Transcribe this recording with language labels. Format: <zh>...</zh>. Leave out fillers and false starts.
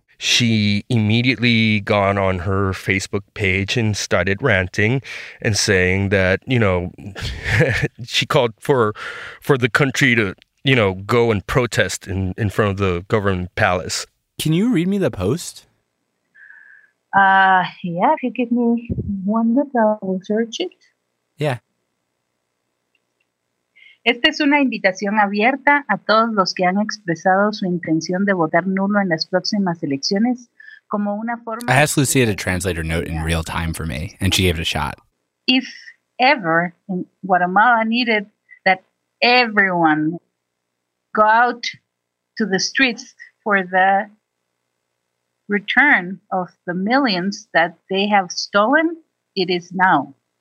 <en>She immediately got on her Facebook page and started ranting and saying that, you know, she called for the country to, you know, go and protest in front of the government palace. Can you read me the post? Yeah, if you give me 1 minute, I'll search it. Yeah.</en> <es>Esta es una invitación abierta a todos los que han expresado su intención de votar nulo en las próximas elecciones como una forma.</es> <en>I asked Lucia to translate her note in real time for me, and she gave it a shot. If ever in Guatemala needed that everyone go out to the streets for the return of the millions that they have stolen, it is now.</en>